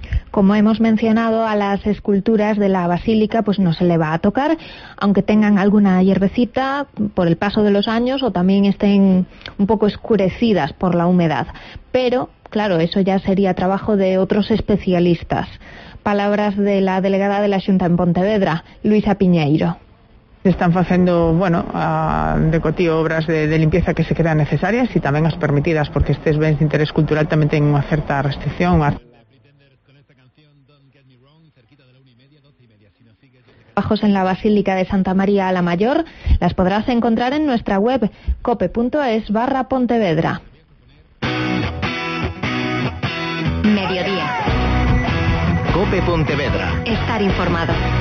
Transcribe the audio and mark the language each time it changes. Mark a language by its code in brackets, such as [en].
[es] Como hemos mencionado, a las esculturas de la basílica pues no se le va a tocar, aunque tengan alguna hierbecita por el paso de los años o también estén un poco oscurecidas por la humedad. Pero, claro, eso ya sería trabajo de otros especialistas. Palabras de la delegada de la Xunta en Pontevedra, Luisa Piñeiro. [gl] Se están facendo, bueno, de cotío obras de limpieza que se crean necesarias y tamén as permitidas, porque estes bens de interés cultural tamén ten unha certa restricción. [es] Trabajos en la Basílica de Santa María a la Mayor las podrás encontrar en nuestra web cope.es/Pontevedra. Mediodía. Cope Pontevedra. Estar informado.